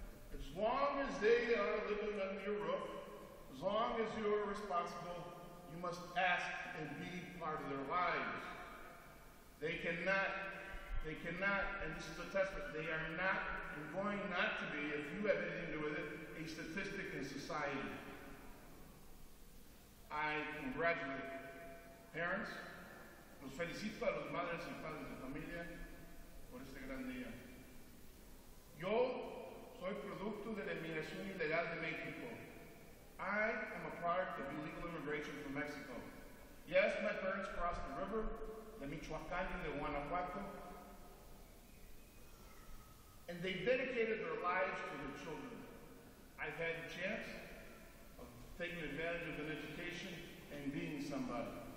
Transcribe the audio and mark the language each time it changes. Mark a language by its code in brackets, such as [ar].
[en] As long as they are living under your roof, as long as you're responsible, you must ask and be part of their lives. They cannot, and this is a testament, they are not, and going not to be, if you have anything to do with it, a statistic in society. I congratulate parents, [es] los felicito a los madres y padres de familia por este gran día. Yo soy producto de la inmigración ilegal de México. [en] I am a product of illegal immigration from Mexico. Yes, my parents crossed the river, the Michoacán and the Guanajuato, and they dedicated their lives to their children. I've had a chance of taking advantage of an education and being somebody.